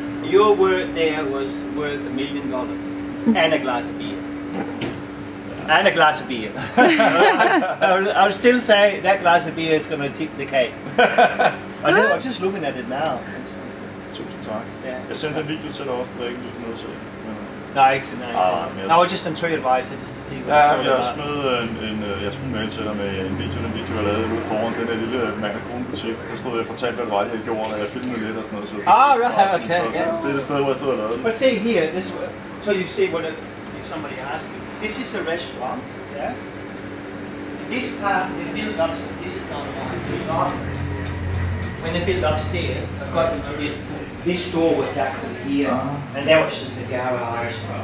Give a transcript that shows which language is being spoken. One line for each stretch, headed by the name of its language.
English: Your word there was worth $1 million and a glass of beer. And a glass of beer. I'll still say that glass of beer is going to tip the cake. I'm just looking at it now.
Danish: Tusind tak. Jeg sendte en video til dig også, der ikke lyttede noget til. Nej, ikke sådan noget. Nej, jeg var just en
English: TripAdvisor, just to see what it's all about.
Danish: Jeg smed en mail til dig med en video, jeg lavede ude foran den der lille makakonebutik. Der stod jeg og fortalte, hvad det var, jeg havde gjort, og jeg filmede lidt og sådan noget. Okay. Det er det sted, hvor jeg stod og lavede.
English: But see here, this, so you see what if somebody asks you. This is a restaurant, yeah? This part, they build upstairs, this is not mine. When they build upstairs, I've got it. This door was actually here, and that was just a garage.